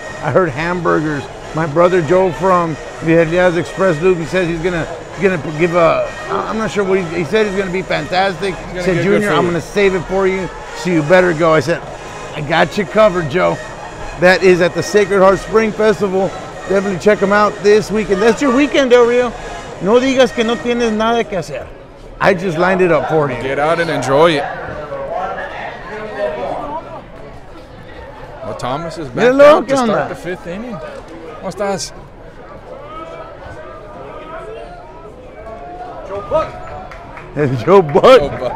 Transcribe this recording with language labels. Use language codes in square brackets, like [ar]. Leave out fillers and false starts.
[en] I heard hamburgers. My brother Joe from Villarreal's Express Loop, he says he's going to, he said he's gonna be fantastic. He said, Junior, I'm gonna save it for you, so you better go. I said, I got you covered, Joe. That is at the Sacred Heart Spring Festival. Definitely check them out this weekend. That's your weekend, Del Rio. [es] No digas que no tienes nada que hacer. [en] I just lined it up for you. Get out and enjoy it. Well, Thomas is back to start the fifth inning. [es] ¿Cómo estás? [en] Joe Buck.